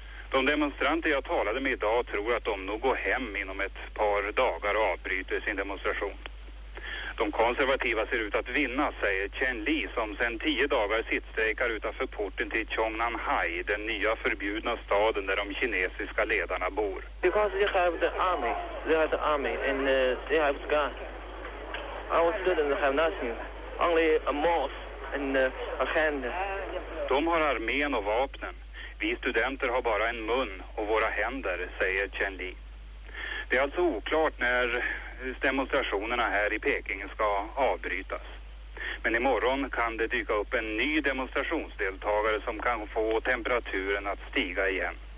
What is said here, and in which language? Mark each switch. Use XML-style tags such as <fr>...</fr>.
<sv>De demonstranter jag talade med idag tror att de nog går hem inom ett par dagar och avbryter sin demonstration. De konservativa ser ut att vinna, säger Chen Li, som sedan 10 dagar sittstrejkar utanför porten till Chongnanhai, den nya förbjudna staden där de kinesiska ledarna bor.</sv> <en>Because they have the army, and they have gun. Our students have nothing, only a mouse and a hand.</en> <sv>De har armén och vapnen. Vi studenter har bara en mun och våra händer, säger Chen Li. Det är alltså oklart när demonstrationerna här i Peking ska avbrytas. Men imorgon kan det dyka upp en ny demonstrationsdeltagare som kan få temperaturen att stiga igen.</sv>